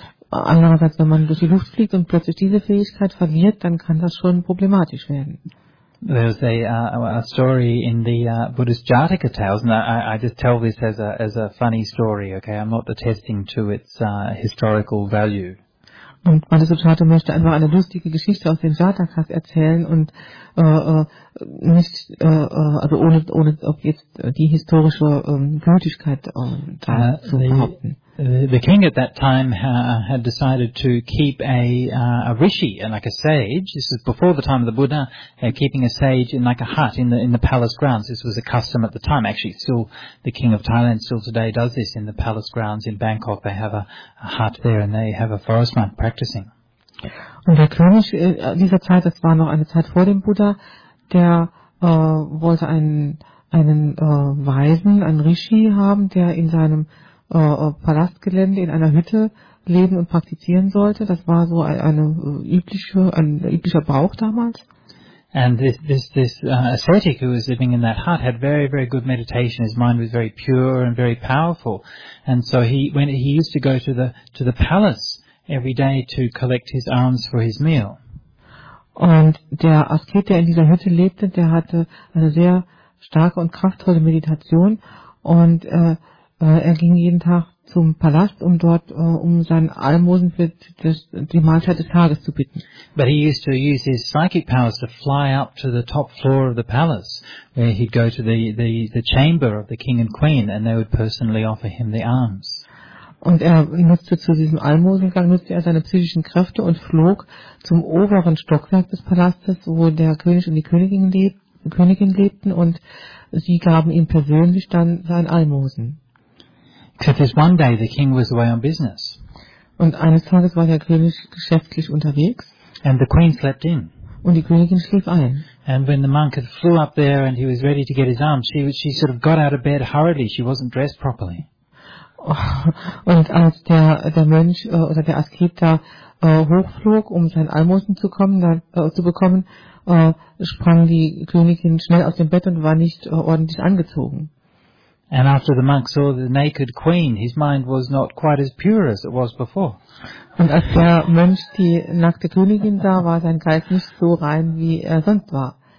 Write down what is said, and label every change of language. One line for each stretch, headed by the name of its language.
German: Andererseits, wenn man durch die Luft fliegt und plötzlich diese Fähigkeit verliert, dann kann das schon problematisch werden.
English: There's a story in the Buddhist Jataka tales, and I just tell this as a funny story, okay? I'm not attesting to its historical value.
German: Und Madhusudhana möchte einfach eine lustige Geschichte aus den Jatakas erzählen und nicht, also ohne ob jetzt die historische Gültigkeit zu behaupten.
English: The king at that time had decided to keep a rishi, like a sage. This is before the time of the Buddha, keeping a sage in like a hut in the palace grounds. This was a custom at the time. Actually, still the king of Thailand still today does this in the palace grounds in Bangkok. They have a hut there and they have a forest monk practicing.
German: Und der König dieser Zeit, das war noch eine Zeit vor dem Buddha, der wollte einen Weisen, einen Rishi haben, der in seinem Palastgelände in einer Hütte leben und praktizieren sollte. Das war so ein üblicher Brauch damals.
English: And this ascetic who was living in that hut had very, very good meditation. His mind was very pure and very powerful. And so he used to go to the palace every day to collect his alms for his meal.
German: Und der Asket, der in dieser Hütte lebte, der hatte eine sehr starke und kraftvolle Meditation und er ging jeden Tag zum Palast, um dort um seinen Almosen für die Mahlzeit des Tages zu bitten.
English: But he used to use his psychic powers to fly up to the top floor of the palace, where he'd go to the chamber of the king and queen, and they would personally offer him the alms.
German: Und er nutzte zu diesem Almosengang nutzte er seine psychischen Kräfte und flog zum oberen Stockwerk des Palastes, wo der König und die Königin lebten, und sie gaben ihm persönlich dann sein Almosen.
English: Except this one day the king was away on business.
German: Und eines Tages war der König geschäftlich unterwegs.
English: And the queen slept in.
German: Und die Königin schlief ein.
English: And when the monk had flew up there and he was ready to get his arms, she sort of got out of bed hurriedly. She wasn't dressed properly.
German: Und als der Mönch oder der Asket da hochflog, um sein Almosen zu bekommen, sprang die Königin schnell aus dem Bett und war nicht ordentlich angezogen.
English: And after the monk saw the naked queen, his mind was not quite as pure as it was before.
German: Und als der Mönch die nackte Königin sah, war sein Geist nicht so rein, wie er sonst war.